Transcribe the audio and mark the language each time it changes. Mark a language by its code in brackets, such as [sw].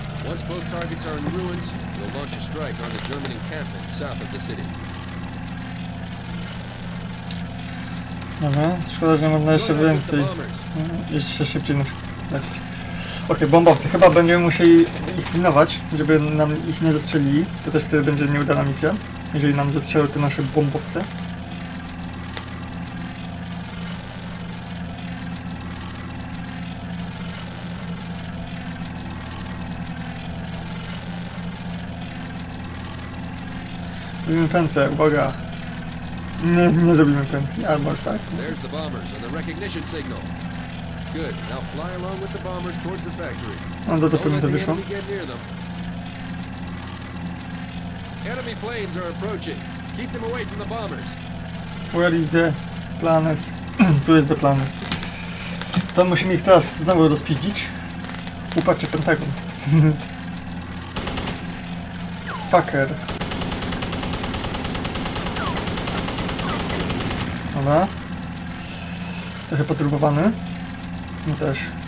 [en] Once both targets are in ruins, we'll launch a strike on the German encampment south of the city. [pl] Dobra, szkoda, że można jeszcze więcej. Jeszcze szybciej niż... Okej, bombowcy. Chyba będziemy musieli ich pilnować, żeby nam ich nie zastrzelili. To też wtedy będzie nieudana misja, jeżeli nam zastrzelą te nasze bombowce. Zrobimy pętlę, uwaga! Nie zrobimy pętli, ale może tak? [en] There's the bombers and the recognition signal. Good, now fly along with the bombers towards the factory. [pl] No to pewnie to wyszło. [en] Enemy planes are approaching. Keep them away from the bombers. Where is the planes? [pl] Tu jest [en] the planes. [pl] To musimy ich teraz znowu rozpiździć. Upatrzcie Pentagon. Fucker. Dobra. Trochę poturbowany. My też.